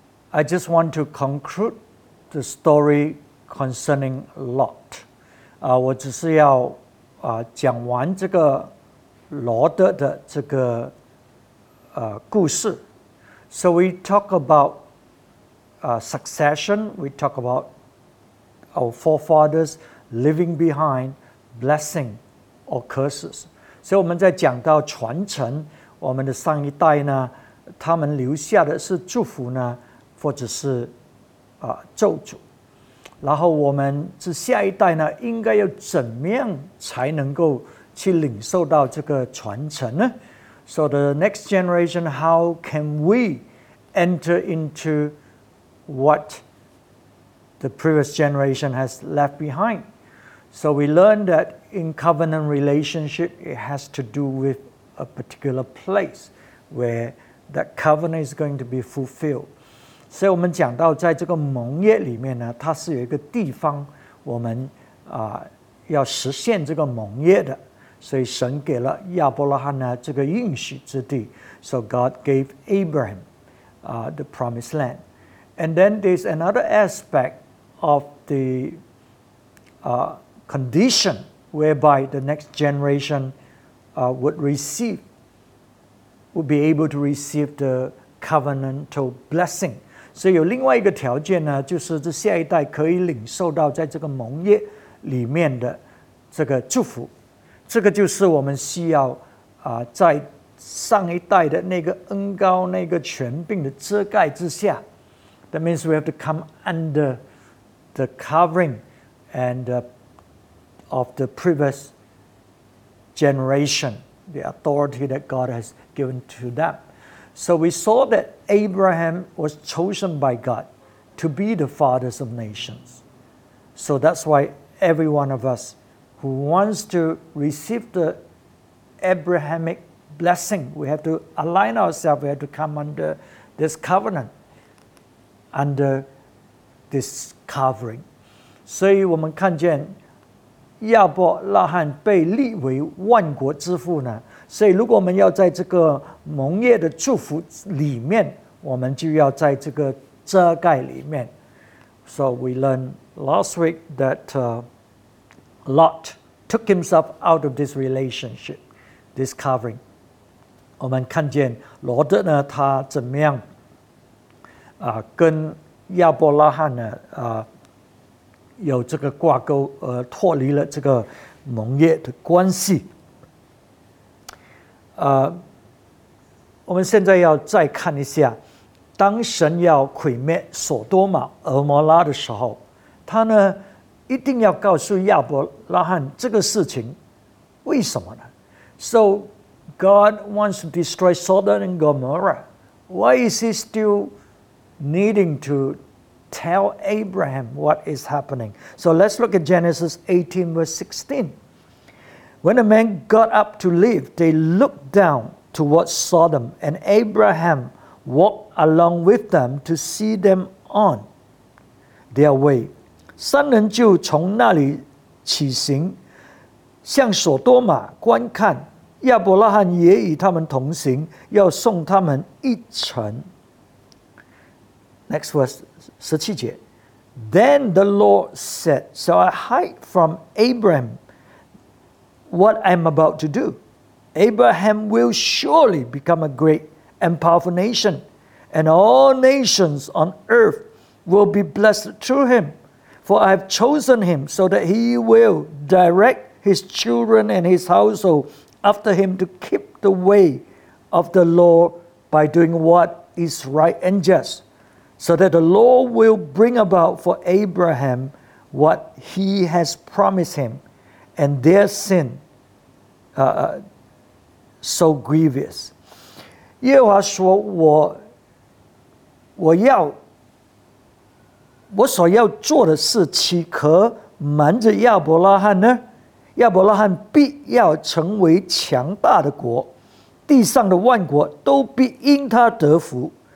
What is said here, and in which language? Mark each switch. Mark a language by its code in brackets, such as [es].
[en] I just want to conclude the story concerning Lot. [zh] 我只是要讲完这个罗德的这个故事。 [en] So we talk about succession. We talk about our forefathers leaving behind blessing or curses. [zh] 所以我们在讲到传承，我们的上一代呢，他们留下的是祝福呢，或者是咒诅。然后我们这下一代呢，应该要怎么样才能够去领受到这个传承呢 ？ [en] So the next generation, how can we enter into what the previous generation has left behind? So we learn that. In covenant relationship, it has to do with a particular place where that covenant is going to be fulfilled. [zh] 所以我们讲到在这个盟约里面呢，它是有一个地方我们要实现这个盟约的。所以神给了亚伯拉罕呢这个应许之地。 [en] So God gave Abraham the promised land. And then there's another aspect of the condition. Whereby the next generation would be able to receive the covenantal blessing. [zh] 所以有另外一个条件呢，就是这下一代可以领受到在这个盟约里面的这个祝福。这个就是我们需要在上一代的那个恩膏、那个权柄的遮盖之下。 [en] That means we have to come under the covering and. Of the previous generation, the authority that God has given to them. So we saw that Abraham was chosen by God to be the fathers of nations. So that's why every one of us who wants to receive the Abrahamic blessing, we have to align ourselves, we have to come under this covenant, under this covering. [zh] 所以我们看见亚伯拉罕被立为万国之父呢，所以如果我们要在这个盟约的祝福里面，我们就要在这个遮盖里面。 [en] So we learned last week that Lot took himself out of this relationship, this covering. [zh] 我们看见罗德呢，他怎么样跟亚伯拉罕呢有这个挂钩而脱离了这个盟约的关系。我们现在要再看一下，当神要毁灭索多玛、俄摩拉的时候，他呢一定要告诉亚伯拉罕这个事情，为什么呢 ？ [en] So God wants to destroy Sodom and Gomorrah. Why is He still needing to? Tell Abraham what is happening. So let's look at Genesis 18 verse 16. When the men got up to leave, they looked down towards Sodom, and Abraham walked along with them to see them on their way. [zh] 三人就从那里起行，向索多玛观看，亚伯拉罕也与他们同行，要送他们一程。 [en] Next verse, 17节 Then the Lord said, Shall I hide from Abraham what I am about to do? Abraham will surely become a great and powerful nation, and all nations on earth will be blessed through him. For I have chosen him so that he will direct his children and his household after him to keep the way of the Lord by doing what is right and just. So that the Lord will bring about for Abraham what he has promised him, and their sin so grievous. [zh] 耶和华说我所要做的事岂可瞒着亚伯拉罕呢？亚伯拉罕必要成为强大的国，地上的万国都必因他得福。